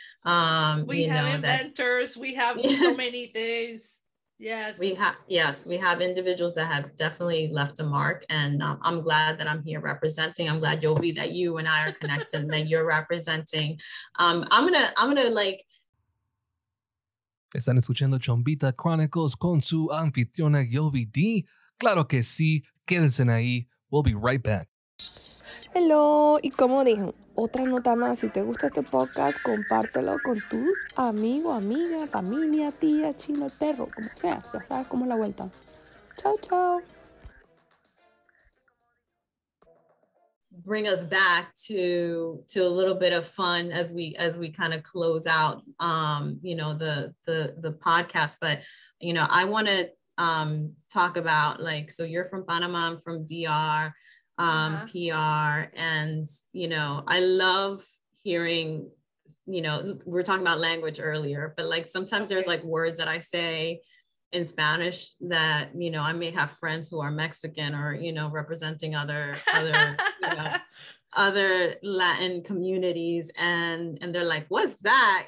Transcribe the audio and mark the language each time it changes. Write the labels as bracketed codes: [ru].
[en] Inventors. We have yes. so many things. Yes, we have individuals that have definitely left a mark, and I'm glad that I'm here representing. I'm glad, Yobi, that you and I are connected, and that you're representing. I'm gonna. [es] Están escuchando Chombita Chronicles con su anfitriona Yobi D. Claro que sí. Quédense ahí. [en] We'll be right back. [es] Hello, y como dije, otra nota más, si te gusta este podcast, compártelo con tu amigo, amiga, familia, tía, chino, perro, como sea, ya sabes cómo es la vuelta. Chao, chao. [en] Bring us back to a little bit of fun as we kind of close out, you know, the podcast, but, you know, I want to talk about, like, so you're from Panama, I'm from DR, PR, and, you know, I love hearing, you know, we were talking about language earlier, but like sometimes there's like words that I say in Spanish that, you know, I may have friends who are Mexican or, you know, representing other you know, other Latin communities, and they're like, what's that?